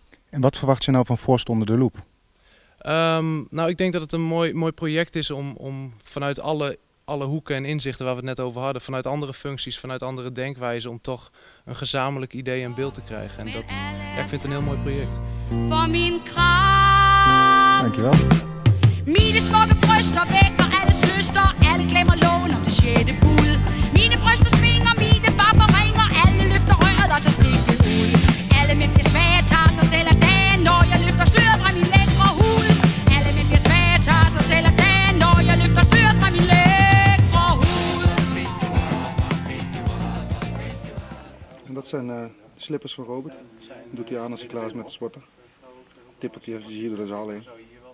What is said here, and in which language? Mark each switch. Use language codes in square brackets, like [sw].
[nl] En wat verwacht je nou van Forst onder de loep? Ik denk dat het een mooi project is om vanuit alle hoeken en inzichten waar we het net over hadden, vanuit andere functies, vanuit andere denkwijzen, om toch een gezamenlijk idee en beeld te krijgen. En dat, ja, ik vind het een heel mooi project. Dankjewel. [da] Mine smukke bryster vækker alle søster, alle glemmer loven om det sjette bud. Mine bryster svinger, mine bapper ringer, alle løfter røret og tager stikket ud. Alle mænd bliver svage, tager sig selv af dagen, når jeg løfter styret fra min lækre hud. Alle mænd bliver svage, tager sig selv af dagen, når jeg løfter styret fra min lækre hud. [nl] En dat zijn slippers van Robert. Doet hij aan als hij klaar is met de sporten. Tippeltje, je ziet er dus al in.